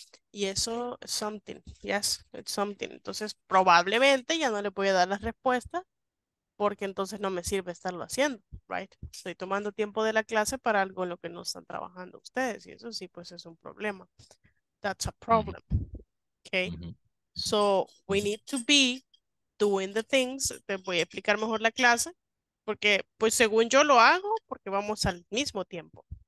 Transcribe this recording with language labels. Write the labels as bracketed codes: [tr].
[es] Y eso es [en] something. Yes, it's something. [es] Entonces, probablemente ya no le voy a dar la respuesta. Porque entonces no me sirve estarlo haciendo, right? Estoy tomando tiempo de la clase para algo en lo que no están trabajando ustedes. Y eso sí, pues es un problema. [en] That's a problem. Okay? So, we need to be doing the things. [es] Te voy a explicar mejor la clase. Porque, pues según yo lo hago, porque vamos al mismo tiempo.